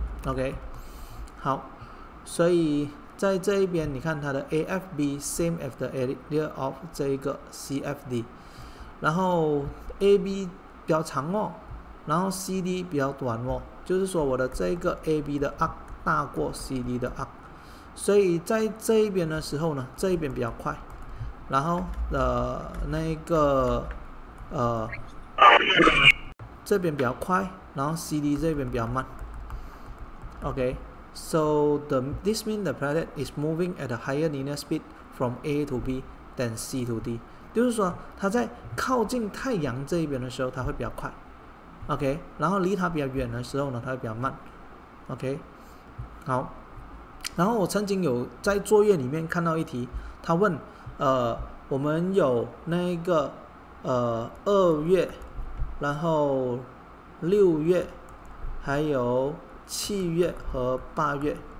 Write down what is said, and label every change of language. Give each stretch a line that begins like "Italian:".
Chinese: OK， 好，所以在这一边你看它的 AFB
English: same as the area of
Chinese: 这个 CFD， 然后 AB 比较长哦，然后 CD 比较短哦，就是说我的这个 AB 的 arc 大过 CD 的 arc。所以在这一边的时候呢，这一边比较快，然后那个这边比较快，然后 CD 这边比较慢。
English: OK，So this means the planet is moving at a higher linear speed from A to B than C to D.
Chinese: 就是说它在靠近太阳这一边的时候它会比较快。 OK， 然后离它比较远的时候呢，它会比较慢。OK， 好，然后我曾经有在作业里面看到一题，他问我们有那个二月，然后六月，还有七月和八月。